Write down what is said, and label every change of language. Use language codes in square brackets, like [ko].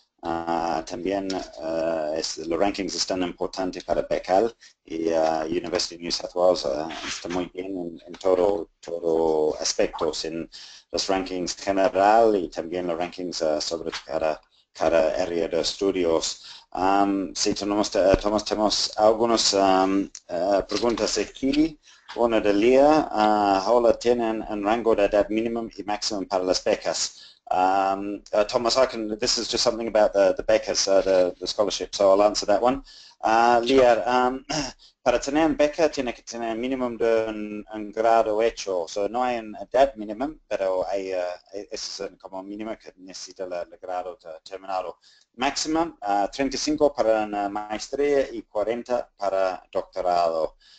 [es] También los rankings están importantes para becal y University of New South Wales está muy bien en todo aspectos en los rankings general y también los rankings sobre cada área de estudios. Sí, tenemos algunas preguntas aquí. Una de Lía, ¿ahora tienen un rango de edad mínimo y máximo para las becas? [en] Thomas, this is just something about the becas, the scholarship, so I'll answer that one. [es] Lía, para tener una beca tiene que tener mínimo de un grado hecho, so no hay una edad mínimo, pero hay es como mínimo que necesita el grado terminado. Máximo, 35 para una maestría y 40 para doctorado.